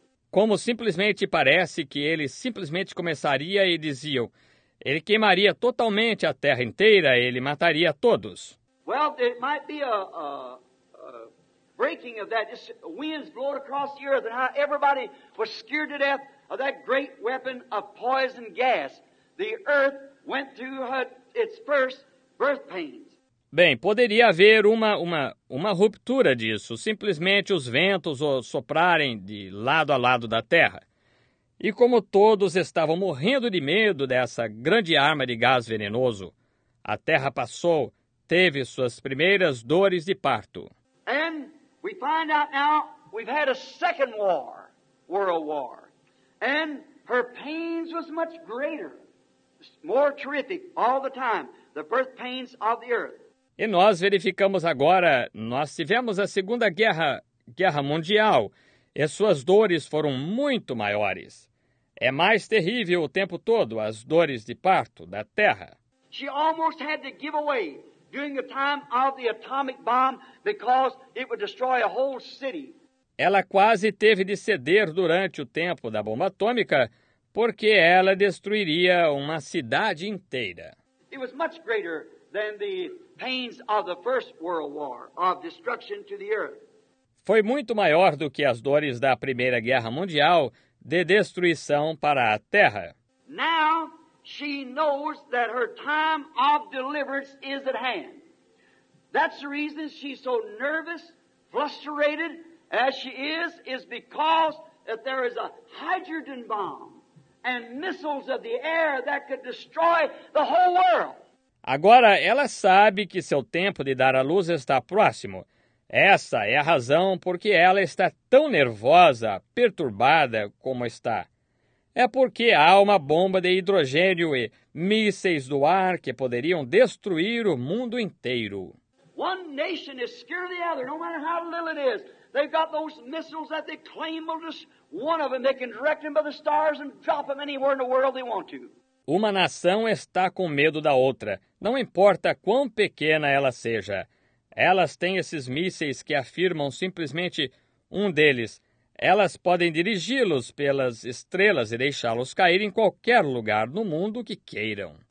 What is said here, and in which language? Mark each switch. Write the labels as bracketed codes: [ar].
[pt] Como simplesmente parece que ele simplesmente começaria e diziam, ele queimaria totalmente a terra inteira, ele mataria todos. [en] Well, it might be a breaking of that. This winds blowed across the earth, and how everybody was scared to death of that great weapon of poison gas. The earth went through its first birth pains. [pt] Bem, poderia haver uma ruptura disso, simplesmente os ventos soprarem de lado a lado da Terra. E como todos estavam morrendo de medo dessa grande arma de gás venenoso, a Terra passou, teve suas primeiras dores de parto. [en] And we find out now we've had a second war, world war. And her pains was much greater, more terrific all the time, the birth pains of the earth. [pt] E nós verificamos agora, nós tivemos a Segunda Guerra Mundial, e suas dores foram muito maiores. É mais terrível o tempo todo, as dores de parto da Terra. [en] She almost had to give away during the time of the atomic bomb because it would destroy a whole city. [pt] Ela quase teve de ceder durante o tempo da bomba atômica porque ela destruiria uma cidade inteira. [en] It was much greater than the pains of the First World War of destruction to the earth. [pt] Foi muito maior do que as dores da Primeira Guerra Mundial de destruição para a Terra. [en] Now she knows that her time of deliverance is at hand. That's the reason she's so nervous, frustrated as she is because that there is a hydrogen bomb and missiles of the air that could destroy the whole world. [pt] Agora, ela sabe que seu tempo de dar à luz está próximo. Essa é a razão por que ela está tão nervosa, perturbada como está. É porque há uma bomba de hidrogênio e mísseis do ar que poderiam destruir o mundo inteiro. [en] One nation is scared of the other, no matter how little it is. They've got those missiles that they claim will just one of them. They can direct them by the stars and drop them anywhere in the world they want to. [pt] Uma nação está com medo da outra, não importa quão pequena ela seja. Elas têm esses mísseis que afirmam simplesmente um deles. Elas podem dirigi-los pelas estrelas e deixá-los cair em qualquer lugar no mundo que queiram.